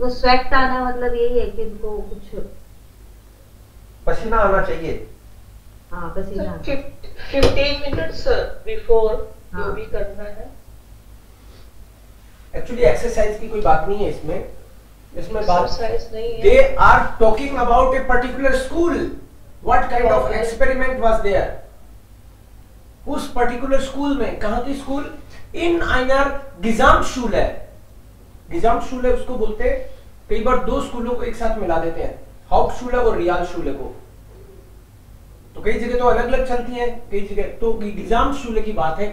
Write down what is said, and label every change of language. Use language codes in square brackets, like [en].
[hi] वो स्वेट आना मतलब यही है कि इनको कुछ पसीना आना चाहिए। हाँ पसीना 15 मिनट्स बिफोर जो भी करना है। एक्चुअली एक्सरसाइज की कोई बात नहीं है इसमें, इसमें बात नहीं है। [en] They are talking about a particular school. What kind of experiment was there? [hi] उस particular school में कहाँ थी school? [de] In Einar Gesamtschule. [hi] Gesamtschule उसको बोलते हैं। कई बार दो स्कूलों को एक साथ मिला देते हैं। Hauptschule और Realschule को। तो कई जगह तो अलग-अलग चलती हैं। कई जगह तो Gesamtschule की बात है।